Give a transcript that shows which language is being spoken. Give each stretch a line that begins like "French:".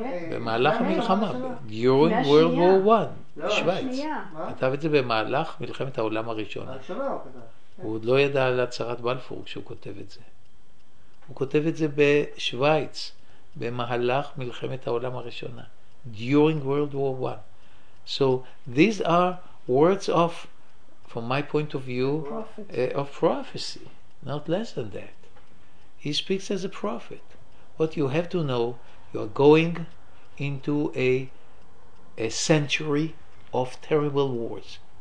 Hebrew: במהלך המלחמה,
English: during World War I, שוויץ.
Hebrew: כתב את זה במהלך מלחמת העולם הראשונה. הוא עוד לא ידע על הצהרת בלפור כשהוא כותב את זה. הוא כותב את זה בשוויץ, במהלך מלחמת העולם הראשונה,
English: during World War I. So these are words of, from my point of view, of prophecy, not less than that. He speaks as a prophet. What you have to know, you are going into a century of terrible wars.